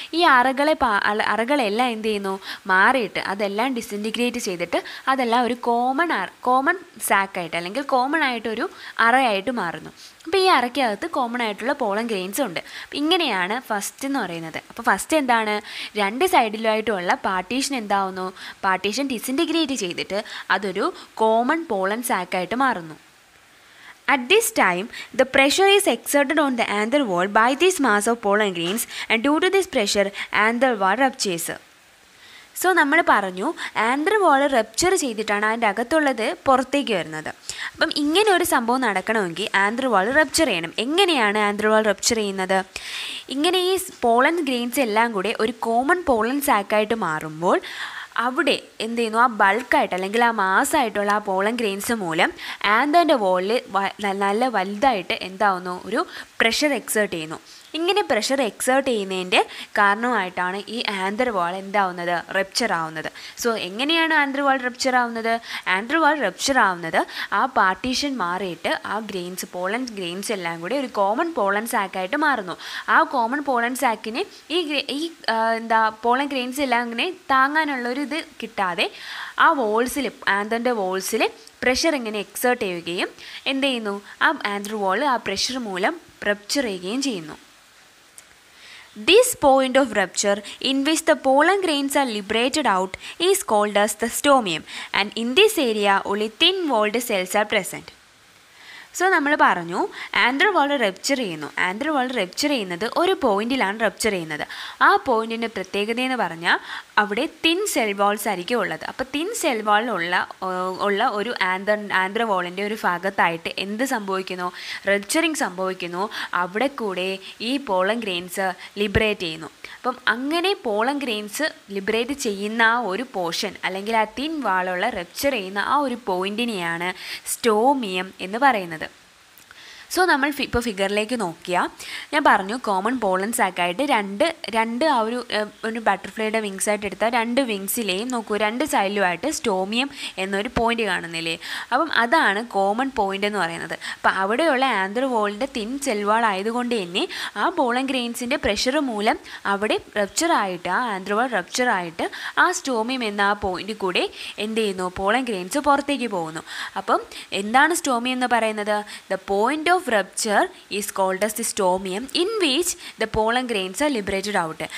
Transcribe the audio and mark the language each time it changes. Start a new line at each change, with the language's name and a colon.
Malayalam: ഈ അറകളെ അറകളെല്ലാം എന്ത് ചെയ്യുന്നു, മാറിയിട്ട് അതെല്ലാം ഡിസിൻറ്റിഗ്രേറ്റ് ചെയ്തിട്ട് അതെല്ലാം ഒരു കോമൺ സാക്കായിട്ട് അല്ലെങ്കിൽ കോമൺ ആയിട്ടൊരു അറയായിട്ട് മാറുന്നു. അപ്പോൾ ഈ അറയ്ക്കകത്ത് കോമൺ ആയിട്ടുള്ള പോളൻ ഗ്രെയിൻസ് ഉണ്ട്. അപ്പം ഇങ്ങനെയാണ് ഫസ്റ്റ് എന്ന് പറയുന്നത്. അപ്പോൾ ഫസ്റ്റ് എന്താണ്, രണ്ട് സൈഡിലുമായിട്ടുള്ള പാർട്ടീഷൻ എന്താവുന്നു, പാർട്ടീഷൻ ഡിസിൻറ്റിഗ്രേറ്റ് ചെയ്തിട്ട് അതൊരു കോമൺ പോളൻ സാക്കായിട്ട് മാറുന്നു.
English: At this time, the pressure is exerted on the anther wall by this mass of pollen grains, and due to this pressure, anther wall ruptures.
Malayalam: So, നമ്മൾ പറഞ്ഞു anther വാള് rupture ചെയ്തിട്ടാണ് അതിൻ്റെ അകത്തുള്ളത് പുറത്തേക്ക് വരുന്നത്. അപ്പം ഇങ്ങനെ ഒരു സംഭവം നടക്കണമെങ്കിൽ ആന്തർ വാള് റപ്ചർ ചെയ്യണം. എങ്ങനെയാണ് ആന്തർ വാൾ റപ്ചർ ചെയ്യുന്നത്, ഇങ്ങനെ ഈ പോളൻ ഗ്രെയിൻസ് എല്ലാം കൂടെ ഒരു കോമൺ പോളൻ സാക്കായിട്ട് മാറുമ്പോൾ അവിടെ എന്ത് ചെയ്യുന്നു, ആ ബൾക്കായിട്ട് അല്ലെങ്കിൽ ആ മാസ്സായിട്ടുള്ള ആ പോളൻ ഗ്രെയിൻസ് മൂലം ആന്തറിൻ്റെ വാളിൽ നല്ല വലുതായിട്ട് എന്താവുന്നു, ഒരു പ്രഷർ എക്സേർട്ട് ചെയ്യുന്നു. ഇങ്ങനെ പ്രഷർ എക്സേർട്ട് ചെയ്യുന്നതിൻ്റെ കാരണമായിട്ടാണ് ഈ ആന്തർ വാൾ എന്താവുന്നത്, റപ്ചർ ആവുന്നത്. സോ എങ്ങനെയാണ് ആന്തർ വാൾ റപ്ചർ ആവുന്നത്, ആന്തർ വാൾ റപ്ചർ ആവുന്നത് ആ പാർട്ടീഷൻ മാറിയിട്ട് ആ ഗ്രെയിൻസ് പോളൻ ഗ്രെയിൻസ് എല്ലാം കൂടി ഒരു കോമൺ പോളൻ സാക്കായിട്ട് മാറുന്നു. ആ കോമൺ പോളൻ സാക്കിനെ ഈ എന്താ പോളൻ ഗ്രെയിൻസ് എല്ലാം ഇങ്ങനെ താങ്ങാനുള്ളൊരിത് കിട്ടാതെ ആ വോൾസിൽ, ആന്തറിൻ്റെ വോൾസിൽ പ്രഷർ ഇങ്ങനെ എക്സേർട്ട് ചെയ്യുകയും എന്ത് ചെയ്യുന്നു, ആ ആന്തർ വാൾ ആ പ്രഷർ മൂലം റപ്ചർ ചെയ്യുകയും ചെയ്യുന്നു.
English: This point of rupture in which the pollen grains are liberated out is called as the stomium, and in this area only thin walled cells are present.
Malayalam: So നമ്മൾ പറഞ്ഞു anther വാൾ rupture ചെയ്യുന്നു. Anther വാൾ rupture ചെയ്യുന്നത് ഒരു പോയിന്റിലാണ് rupture ചെയ്യുന്നത്. ആ പോയിന്റിൻ്റെ പ്രത്യേകത എന്ന് പറഞ്ഞാൽ അവിടെ തിൻ സെൽ വാൾസ് ആയിരിക്കും ഉള്ളത്. അപ്പോൾ തിൻ സെൽ വാളിലുള്ള ഒരു ആന്തർ വാളിൻ്റെ ഒരു ഭാഗത്തായിട്ട് എന്ത് സംഭവിക്കുന്നു, റപ്ചറിങ് സംഭവിക്കുന്നു. അവിടെ കൂടെ ഈ പോളൻ ഗ്രെയിൻസ് ലിബറേറ്റ് ചെയ്യുന്നു. അപ്പം അങ്ങനെ പോളൻ ഗ്രെയിൻസ് ലിബറേറ്റ് ചെയ്യുന്ന ആ ഒരു പോർഷൻ അല്ലെങ്കിൽ ആ തിൻ വാളുള്ള റപ്ചർ ചെയ്യുന്ന ആ ഒരു പോയിന്റിനെയാണ് സ്റ്റോമിയം എന്ന് പറയുന്നത്. സോ നമ്മൾ ഇപ്പോൾ ഫിഗറിലേക്ക് നോക്കിയാൽ ഞാൻ പറഞ്ഞു കോമൺ പോളൻ സാക്കായിട്ട് രണ്ട് ആ ഒരു ബട്ടർഫ്ലൈയുടെ വിങ്സ് ആയിട്ട് എടുത്താൽ രണ്ട് വിങ്സിലെയും നോക്കൂ, രണ്ട് സൈഡിലുമായിട്ട് സ്റ്റോമിയം എന്നൊരു പോയിൻ്റ് കാണുന്നില്ലേ, അപ്പം അതാണ് കോമൺ പോയിൻ്റ് എന്ന് പറയുന്നത്. അപ്പോൾ അവിടെയുള്ള ആന്തർ വാളിൻ്റെ തിൻ സെൽവാൾ ആയതുകൊണ്ട് തന്നെ ആ പോളൻ ഗ്രെയിൻസിൻ്റെ പ്രഷർ മൂലം അവിടെ റപ്ചറായിട്ട് ആ ആന്തർ വാൾ റപ്ചറായിട്ട് ആ സ്റ്റോമിയം എന്ന ആ പോയിൻ്റ് കൂടെ എന്ത് ചെയ്യുന്നു, പോളൻ ഗ്രെയിൻസ് പുറത്തേക്ക് പോകുന്നു. അപ്പം എന്താണ് സ്റ്റോമിയം എന്ന് പറയുന്നത്,
English: The point of rupture is called as the stomium in which the pollen grains are liberated out.